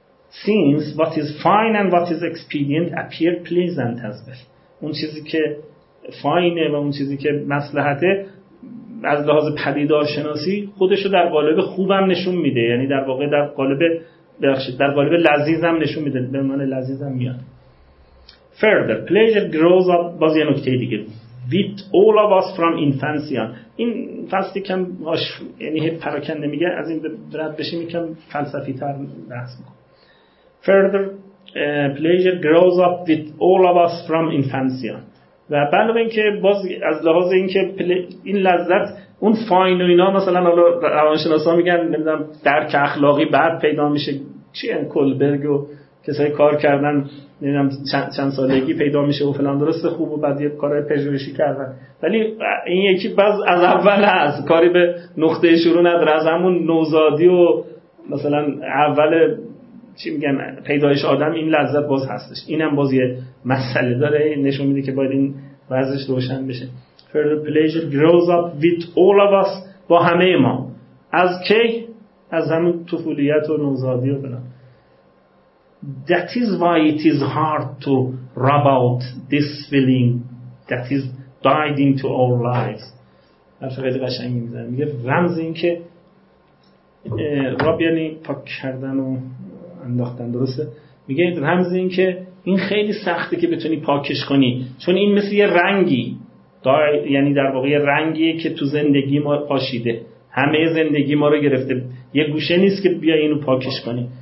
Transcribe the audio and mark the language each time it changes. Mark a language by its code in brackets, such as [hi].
[en] Since what is fine and what is expedient appear pleasant as well [fa] اون چیزی که فاینه و اون چیزی که مصلحته از لحاظ پدیدارشناسی خودشو در قالب خوبم نشون میده، یعنی در واقع در قالب بخشید در قالب لذیذم نشون میده، به عنوان لذیذم میاد. [en] Further pleasure grows up [fa] باز یه نکته دیگه [en] with all of us from infancy on. [fa] این فصلی کم هاش یعنی هی پراکنده میگه از این رد بشیم یکم فلسفی تر بحث میکن. [en] Further pleasure grows up with all of us from infancy on. [fa] و بله این که باز از لحاظ این که این لذت اون فاین و اینا مثلا روانشناسا میگن نمیدونم درک اخلاقی بعد پیدا میشه، چیه کلبرگ و کسایی کار کردن نمیدونم چند سالگی پیدا میشه و فلان، درسته خوب و بعد یه کارهای پژوهشی کردن ولی این یکی باز از اول هست، کاری به نقطه شروع نداره، از همون نوزادی و مثلا اول چی میگن پیدایش آدم این لذت باز هستش. اینم باز یه مسئله داره نشون میده که باید این وضعش روشن بشه. [en] Further pleasure grows up with all of us [fa] با همه ما از کی؟ از همون طفولیت و نوزادی و بنا. [en] That is why it is hard to rub out this feeling that is died into our lives. [fa] حرف خیلی قشنگی میزنه، میگه رمز این که رب یعنی پاک کردن و انداختن، درسته؟ میگه رمز این که این خیلی سخته که بتونی پاکش کنی، چون این مثل یه رنگی یعنی در واقع یه رنگیه که تو زندگی ما پاشیده، همه زندگی ما رو گرفته، یه گوشه نیست که بیا اینو پاکش کنی،